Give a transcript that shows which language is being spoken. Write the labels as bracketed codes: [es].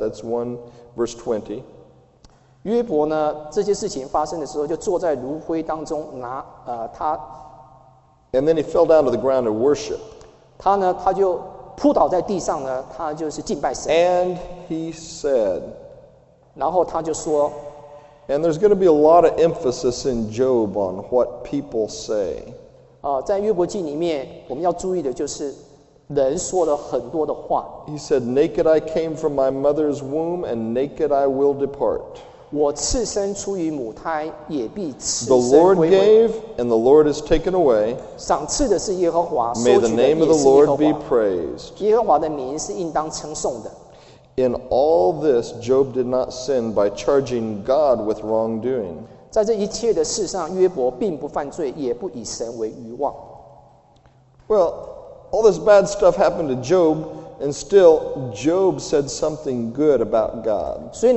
[en] That's 1 verse 20. [zh] 约伯呢，这些事情发生的时候，就坐在炉灰当中，拿他。 [en] And then he fell down to the ground and worship. [zh] 他呢，他就扑倒在地上呢，他就是敬拜神。 [en] And he said. [zh] 然后他就说。 [en] And there's going to be a lot of emphasis in Job on what people say. [zh] 在约伯记里面，我们要注意的就是。人说了很多的话。 [en] He said, "Naked I came from my mother's womb, and naked I will depart." [zh] 我赤身出于母胎，也必赤身归回。 [en] The Lord gave, and the Lord has taken away. [zh] 赏赐的是耶和华，收取的也是耶和华。 [en] May the name of the Lord be praised. [zh] 耶和华的名是应当称颂的。 [en] In all this, Job did not sin by charging God with wrongdoing. [zh] 在这一切的事上，约伯并不犯罪，也不以神为余望。 [en] Well. All this bad stuff happened to Job, and still Job said something good about God.